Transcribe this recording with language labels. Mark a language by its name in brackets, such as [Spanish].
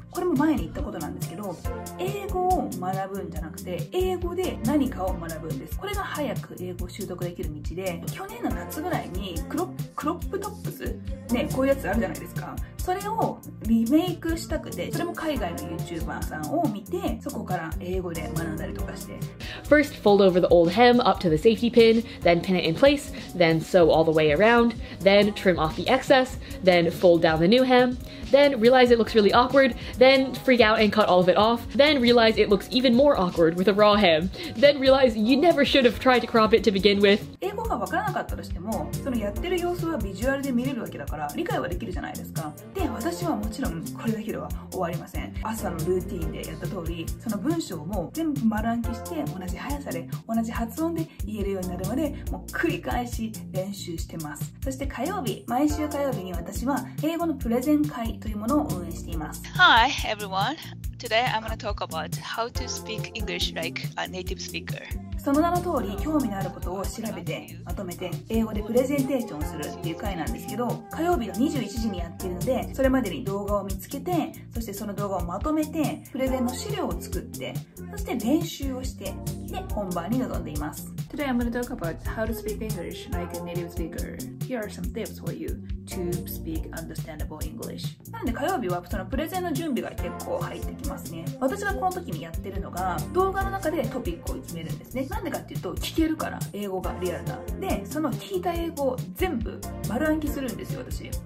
[Japanese] これも前に言ったことなんですけど、英語を学ぶんじゃなくて英語で何かを学ぶんです。これが早く英語を習得できる道で、去年の夏ぐらいにクロップトップスね、こういうやつあるじゃないですか。それをリメイクしたくて、それも海外の YouTuber さんを見て、そこから英語で学んだりとかして。 [English] First, fold over the old hem up to the safety pin, then pin it in place, then sew all the way around, then trim off the excess, then fold down the new hem, then realize it looks really awkward, then freak out and cut all of it off, then realize it looks even more awkward with a raw hem, then realize you never should have tried to crop it to begin with. [Japanese] 英語が分からなかったとしても、そのやってる様子はビジュアルで見れるわけだから理解はできるじゃないですか。で、私はもちろんこれだけでは終わりません。朝のルーティーンでやった通り、その文章も全部丸暗記して、同じ速さで同じ発音で言えるようになるまでもう繰り返し練習してます。そして火曜日、毎週火曜日に私は英語のプレゼン会というものを運営しています。 [English] Hi everyone, today I'm going to talk about how to speak English like a native speaker。 [Japanese] その名の通り、興味のあることを調べてまとめて英語でプレゼンテーションするっていう回なんですけど、火曜日の21時にやってるので、それまでに動画を見つけて、そしてその動画をまとめてプレゼンの資料を作って、そして練習をして、で本番に臨んでいます。 [English] Today I'm going to talk about how to speak English like a native speaker. Here are some tips for youTo speak understandable English. [Japanese] なので火曜日はそのプレゼンの準備が結構入ってきますね。私がこの時にやってるのが、動画の中でトピックを決めるんですね。なんでかっていうと、聞けるから英語がリアルな。で、その聞いた英語を全部丸暗記するんですよ、私。